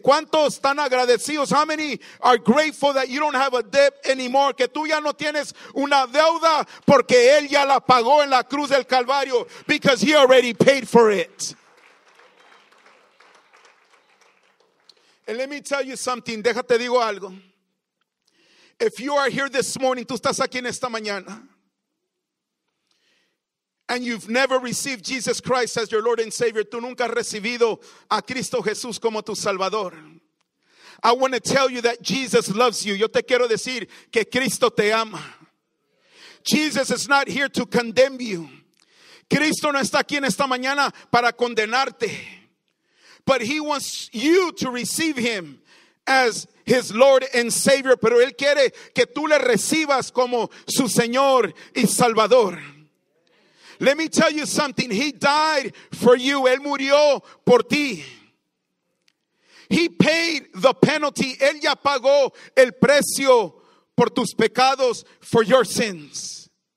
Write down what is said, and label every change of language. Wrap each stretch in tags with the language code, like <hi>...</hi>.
<es>¿Cuántos están agradecidos?</es> <en>How many are grateful that you don't have a debt anymore?</en> <es>Que tú ya no tienes una deuda porque Él ya la pagó en la cruz del Calvario.</es> <en>Because He already paid for it. And let me tell you something.</en> <es>Déjate digo algo.</es> <en>If you are here this morning,</en> <es>tú estás aquí en esta mañana,</es> <en>and you've never received Jesus Christ as your Lord and Savior.</en> <es>Tú nunca has recibido a Cristo Jesús como tu Salvador.</es> <en>I want to tell you that Jesus loves you.</en> <es>Yo te quiero decir que Cristo te ama.</es> <en>Jesus is not here to condemn you.</en> <es>Cristo no está aquí en esta mañana para condenarte.</es> <en>But He wants you to receive Him as His Lord and Savior.</en> <es>Pero Él quiere que tú le recibas como su Señor y Salvador.</es> <en>Let me tell you something. He died for you.</en> <es>Él murió por ti.</es> <en>He paid the penalty.</en> <es>Él ya pagó el precio por tus pecados,</es> <en>for your sins.</en>